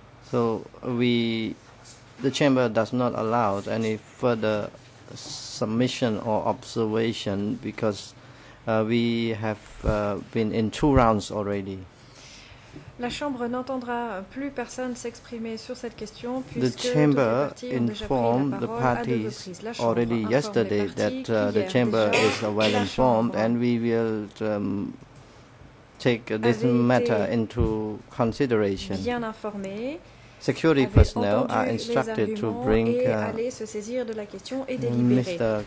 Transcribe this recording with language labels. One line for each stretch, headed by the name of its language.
English: So the chamber does not allow any further submission or observation because we have been in two rounds already.
French: La chambre n'entendra plus personne s'exprimer sur cette question puisque
English: the chamber informed the parties already yesterday that the chamber is well informed and we will take this matter into consideration.
French: Bien informé.
English: Security personnel are instructed to bring Mr.